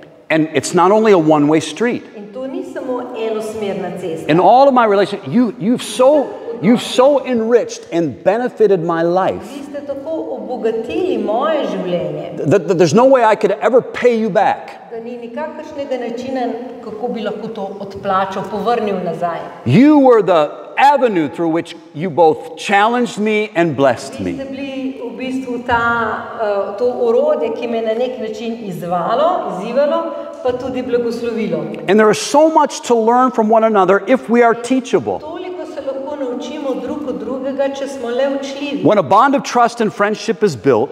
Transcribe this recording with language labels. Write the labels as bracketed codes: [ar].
[en] And it's not only a one-way street. In all of my relationships, you've so enriched and benefited my life. [sl] Vi ste tako obogatili moje življenje. [en] That there's no way I could ever pay you back. [sl] Da ni nikakršnega načina, kako bi lahko to odplačal, povrnil nazaj. [en] You were the avenue through which you both challenged me and blessed me. [sl] Vi ste bili v bistvu to orodje, ki me na nek način izzvalo, pa tudi blagoslovilo. [en] And there is so much to learn from one another if we are teachable. [sl] Toliko se lahko naučimo drug od drugega, če smo le učljivi. [en] When a bond of trust and friendship is built,